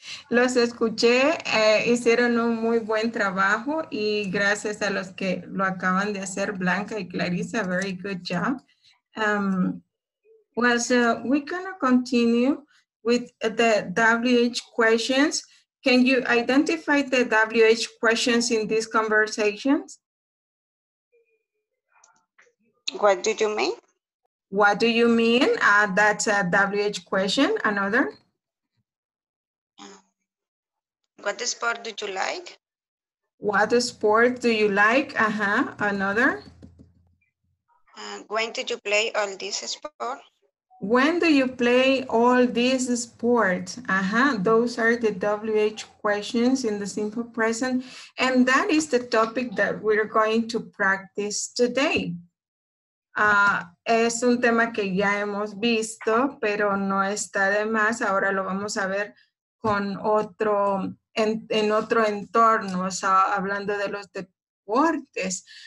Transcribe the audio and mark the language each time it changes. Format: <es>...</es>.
<es>Los escuché, hicieron un muy buen trabajo y gracias a los que lo acaban de hacer, Blanca y Clarissa,</es> <en>very good job. Well, so we're going to continue with the WH questions. Can you identify the WH questions in these conversations? What did you mean? What do you mean? That's a WH question. Another? What sport do you like? What sport do you like? Uh-huh. Another? When did you play all this sport? When do you play all this sport? Uh-huh. Those are the WH questions in the simple present. And that is the topic that we're going to practice today.</en> <es>Es un tema que ya hemos visto, pero no está de más. Ahora lo vamos a ver con otro, en otro entorno, o sea, hablando de los deportes.</es>